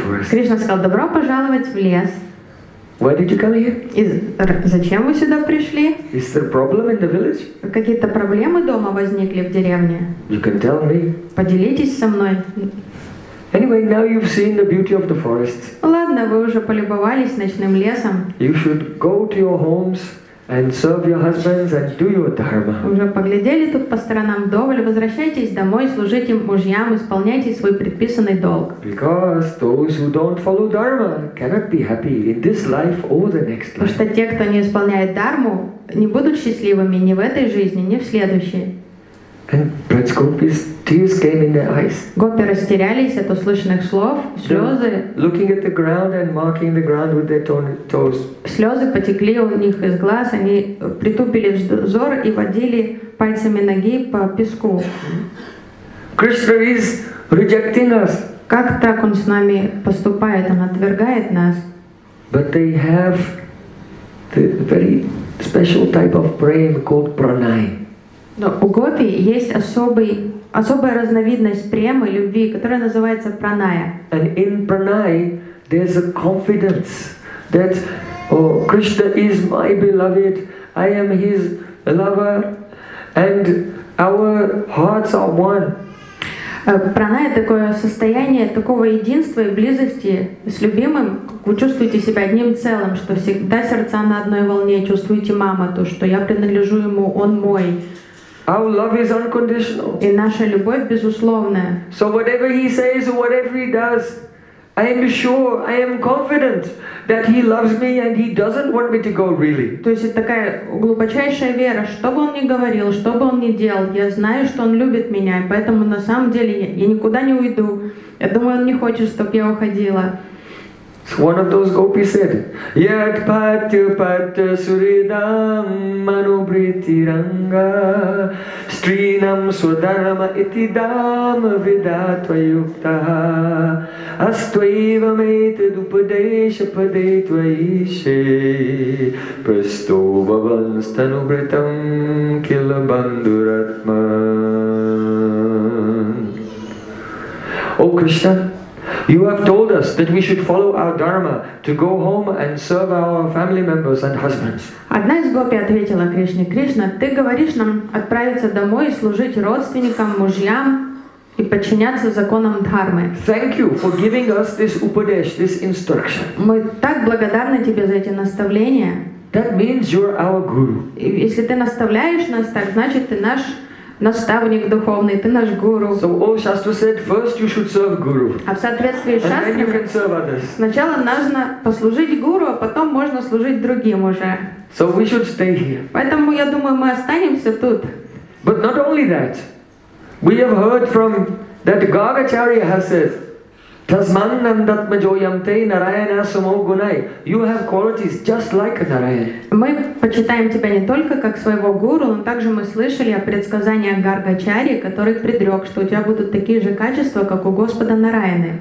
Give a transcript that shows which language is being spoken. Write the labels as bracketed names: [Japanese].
[Russian] Кришна сказал, добро пожаловать в лес. [English] Why did you come here? [Russian] Зачем вы сюда пришли? [English] Is there a problem in the village? [Russian] Какие-то проблемы дома возникли в деревне? [English] You can tell me. [Russian] Поделитесь со мной. [English] Anyway, now you've seen the beauty of the forest. [Russian] Ладно, вы уже полюбовались ночным лесом. [English] You should go to your homes and serve your husbands and do your dharma. [Russian] Уже поглядели тут по сторонам вдоволь, возвращайтесь домой, служите мужьям, исполняйте свой предписанный долг. [English] Because those who don't follow dharma cannot be happy in this life or the next life. [Russian] Потому что те, кто не исполняет дарму, не будут счастливыми ни в этой жизни, ни в следующей. [English] And Braj Gopis, tears came in their eyes. [Russian] Гопи растерялись от услышанных слов, слезы. [English] Looking at the ground and marking the ground with their toes. [Russian] Слезы потекли у них из глаз, они притупили взор и водили пальцами ноги по песку. [English] Krishna is rejecting us. [Russian] Как так он с нами поступает? Он отвергает нас. [English] But they have the very special type of praying called pranay. [Russian] Но у гопи есть особая разновидность премы, любви, которая называется праная. [English] And in pranay, there's a confidence that, oh, Krishna is my beloved, I am his lover, And our hearts are one. [Russian] Праная — такое состояние такого единства и близости с любимым. Вы чувствуете себя одним целым, что всегда сердца на одной волне. Чувствуете мама, то, что я принадлежу ему, он мой. [English] Our love is unconditional. [Russian] И наша любовь безусловная. [English] So whatever he says, whatever he does, I am sure, I am confident that he loves me and he doesn't want me to go really. [Russian] То есть такая глубочайшая вера, что бы он ни говорил, что бы он ни делал, я знаю, что он любит меня, поэтому на самом деле я никуда не уйду. Я думаю, он не хочет, чтобы я уходила. [English] So one of those gopis said, [Sanskrit] Yat patya patya suridam manubriti ranga Strinam swadharma iti dam vidatva yukta Astvaiva meta dupadesha padetva ishe Prastobavans tanubritam kilabanduratman. [English] Oh Krishna, you have told us that we should follow our dharma to go home and serve our family members and husbands. [Russian] Одна из гопи ответила Кришне: Кришна, ты говоришь нам отправиться домой и служить родственникам, мужьям и подчиняться законам дхармы. [English] Thank you for giving us this upadesh, this instruction. [Russian] Мы так благодарны тебе за эти наставления. [English] That means you're our guru. [Russian] Если ты наставляешь нас так, значит ты наш наставник духовный, ты наш гуру. [English] So all Shastra said, first you should serve guru. [Russian] А в соответствии с Шастрой, сначала нужно послужить гуру, а потом можно служить другим уже. [English] So we should stay here. [Russian] Поэтому я думаю, мы останемся тут. [English] But not only that, we have heard from that Gagacharya has said, [Sanskrit] Tasman nandatma joyamte narayana sumo gunai. [English] You have qualities just like Narayana. [Russian] Мы почитаем тебя не только как своего гуру, но также мы слышали о предсказании Гаргачарьи, который предрек, что у тебя будут такие же качества, как у Господа Нараяны.